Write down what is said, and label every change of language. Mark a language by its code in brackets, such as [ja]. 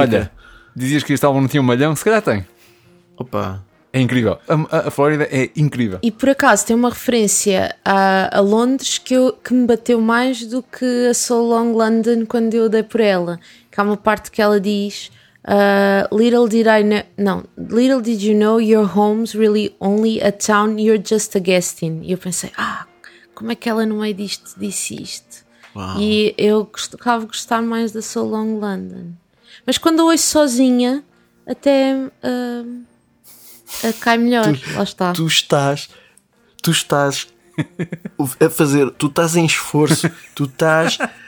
[pt] Olha, dizias que este álbum não tinha um malhão? Se calhar tem. Opa. É incrível. A Flórida é incrível. E por acaso tem uma referência a Londres que me bateu mais do que a So Long London quando eu dei por ela. Que há uma parte que ela diz... [en] Little did you know your home's really only a town you're just a guest in. [pt] E eu pensei, como é que ela no meio disto disse isto? Wow. E eu gostava de gostar mais da So Long London. Mas quando a ouço sozinha, até cai melhor. Tu, lá está. Tu estás a fazer, tu estás em esforço, tu estás.